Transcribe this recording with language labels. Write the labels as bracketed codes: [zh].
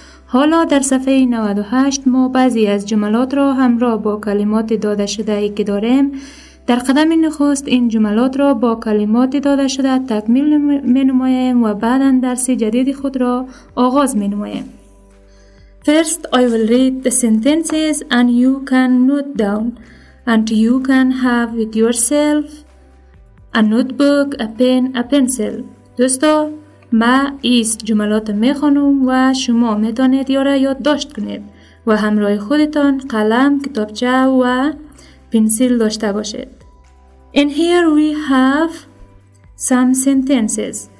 [fa] حالا در صفحه 98 ما بعضی از جملات را همراه با کلمات داده شده ای که داریم. در قدم نخست این جملات را با کلمات داده شده تکمیل می نماییم و بعدا درس جدید خود را آغاز می نماییم. [en] First, I will read the sentences and you can note down. And you can have with yourself a notebook, a pen, a pencil. [fa] دوستو, ما ایست جملات میخونم و شما میتونید یاره یاد داشت کنید و همراه خودتان قلم, کتابچه و پنسل داشته باشید. [en] In here we have some sentences.